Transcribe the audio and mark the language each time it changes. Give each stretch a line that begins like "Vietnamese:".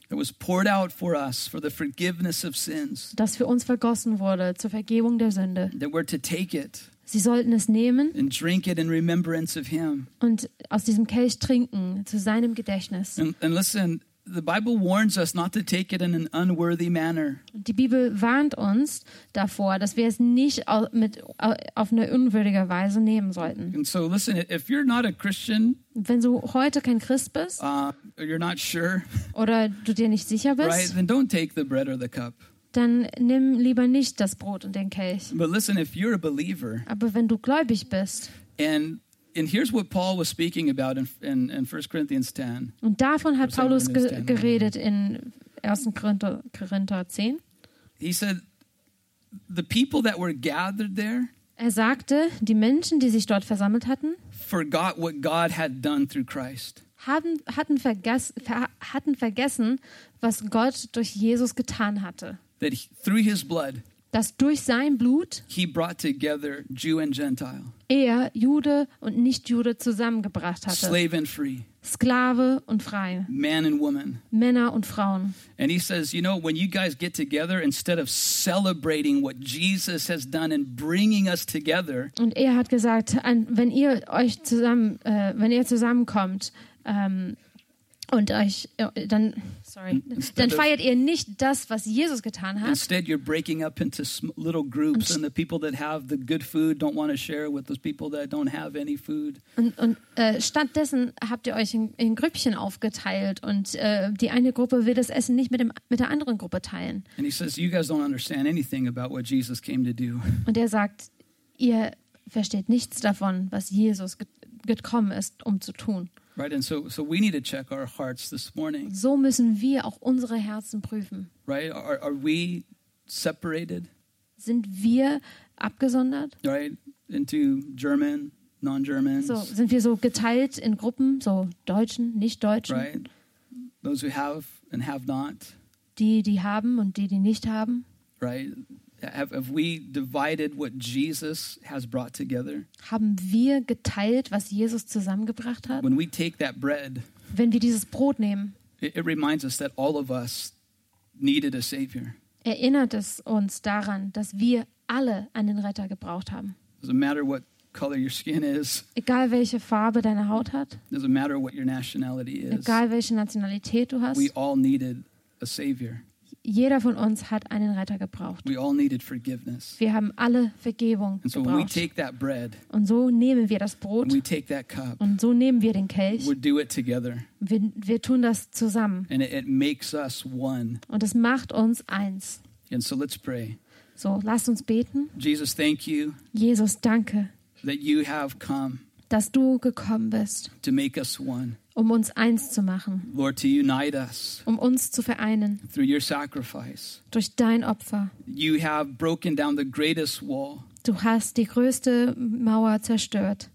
English: It was poured out for us for the forgiveness of sins.
German: Das für uns vergossen wurde zur Vergebung der Sünde.
English: That we're to take it.
German: Sie sollten es nehmen.
English: And drink it in remembrance of him.
German: Und aus diesem Kelch trinken zu seinem Gedächtnis.
English: And listen, the Bible warns us not to take it in an unworthy manner.
German: Die Bibel warnt uns davor, dass wir es nicht auf eine unwürdige Weise nehmen sollten.
English: And so listen, if you're not a Christian,
German: wenn du heute kein Christ bist,
English: you're not sure,
German: oder du dir nicht sicher bist,
English: right, then don't take the bread or the cup.
German: Dann nimm lieber nicht das Brot und den Kelch.
English: But listen, if you're a believer,
German: aber wenn du gläubig bist,
English: and here's what Paul was speaking about in 1 Corinthians 10.
German: Und davon hat Paulus geredet in 1. Korinther 10.
English: He said, the people that were gathered there,
German: er sagte, die Menschen, die sich dort versammelt hatten,
English: forgot what God had done through Christ.
German: Hatten vergessen, was Gott durch Jesus getan hatte.
English: That through his blood,
German: dass durch sein Blut
English: he brought together Jew and Gentile.
German: Er Jude und Nicht-Jude zusammengebracht hatte.
English: Slave and free.
German: Sklave und frei.
English: Man and woman.
German: Männer und Frauen.
English: And he says, you know, when you guys get together, instead of celebrating what Jesus has done and bringing us together.
German: Und er hat gesagt, wenn ihr euch zusammen, wenn ihr zusammenkommt, und euch dann, sorry, dann feiert ihr nicht das, was Jesus getan hat.
English: Instead, you're breaking up into little groups, and the people that have the good food don't want to share with those people that don't have any food.
German: Und stattdessen habt ihr euch in Grüppchen aufgeteilt, und die eine Gruppe will das Essen nicht mit der anderen Gruppe teilen.
English: And he says, you guys don't understand anything about what Jesus came to do.
German: Und er sagt, ihr versteht nichts davon, was Jesus gekommen ist, um zu tun.
English: Right, and so we need to check our hearts this morning.
German: So müssen wir auch unsere Herzen prüfen.
English: Right, are we separated?
German: Sind wir abgesondert?
English: Right, into German, non-Germans.
German: So, sind wir so geteilt in Gruppen, so Deutschen, Nicht-Deutschen?
English: Right, those who have and have not.
German: Die haben und die nicht haben.
English: Right, have we divided what Jesus has brought together?
German: Haben wir geteilt, was Jesus zusammengebracht hat?
English: When we take that bread,
German: wenn wir dieses Brot nehmen,
English: it reminds us that all of us needed a savior.
German: Erinnert es uns daran, dass wir alle einen Retter gebraucht haben.
English: Doesn't matter what color your skin is.
German: Egal welche Farbe deine Haut hat.
English: Doesn't matter what your nationality is.
German: Egal welche Nationalität du hast.
English: We all needed a savior.
German: Jeder von uns hat einen Retter gebraucht.
English: We all needed forgiveness.
German: Wir haben alle Vergebung
English: and so
German: gebraucht.
English: When we take that bread,
German: und so nehmen wir das Brot.
English: We take that cup,
German: und so nehmen wir den Kelch.
English: We'll do it together.
German: Wir tun das zusammen.
English: And it makes us one.
German: Und es macht uns eins.
English: And so let's pray.
German: So, lasst uns beten.
English: Jesus, thank you,
German: Jesus, danke,
English: that you have come,
German: dass du gekommen bist,
English: to make us one,
German: um uns eins zu machen.
English: Lord, to unite us,
German: um uns zu vereinen.
English: Through your sacrifice,
German: durch dein Opfer.
English: You have broken down the greatest wall,
German: du hast die größte Mauer zerstört.